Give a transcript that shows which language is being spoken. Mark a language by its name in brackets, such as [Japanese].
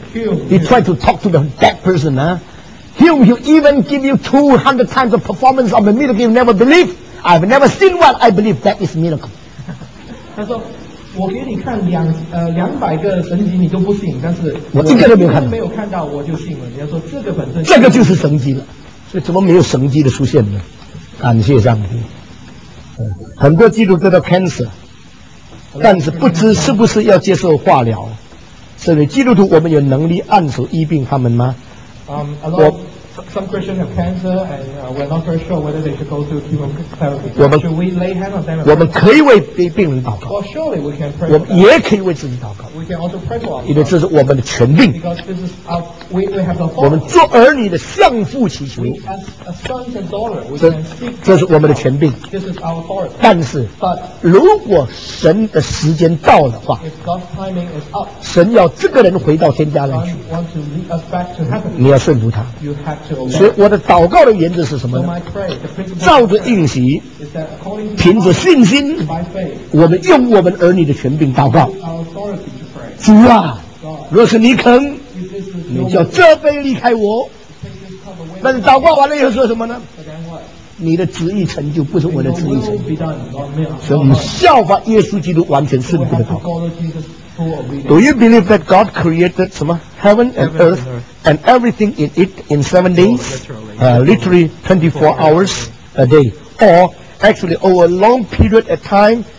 [English] Hume, he tried to talk to the dead person.、Hume, he'll even give you 200 times the performance of a miracle you never believe. I've never seen one, I believe that is miracle. [Chinese] 他说我给你看200个神迹你都不信，但是我一个都没有看到，没有看到我就信了。你要说这个本身，这个就是神迹了。所以怎么没有神迹的出现呢？感谢上帝。很多基督徒的 cancer， 但是不知是不是要接受化疗。所以基督徒我们有能力按手医病他们吗？ [English] 我 some Christians have cancer and we're not very sure whether they should go through chemotherapy. [Chinese] 我们 [English] should we lay hand on them? [Chinese] 我们可以为病人祷告。 [English] Well, surely we can pray. [Chinese] 我们也可以为自己祷告。 [English] We can also pray for ourselves. [Chinese] 因为这是我们的权柄。 [English] Because this is our we have the. [Chinese] 我们做儿女的向父祈求。 [English] We, as sons and daughters, we can seek. [Chinese] 这是我们的权柄。 [English] This is our authority. [Chinese] 但是 [English] but [Chinese] 如果神的时间到的话 [English] ，if God's timing is up， [Chinese] 神要这个人回到天家来去。 [English] God wants to lead us back to heaven. [Chinese] 你要顺服他。 [English] You have to. [Chinese] 所以我的祷告的原则是什么呢？照着应许，凭着信心，我们用我们儿女的权柄祷告。主啊，若是你肯，你叫这杯离开我。那你祷告完了以后说什么呢？你的旨意成就，不是我的旨意成就。所以我们效法耶稣基督，完全顺服的祷告。 [English] Do you believe that God created 什么 heaven and earth and everything in it in 7 days, literally 24 hours a day, or actually over a long period of time?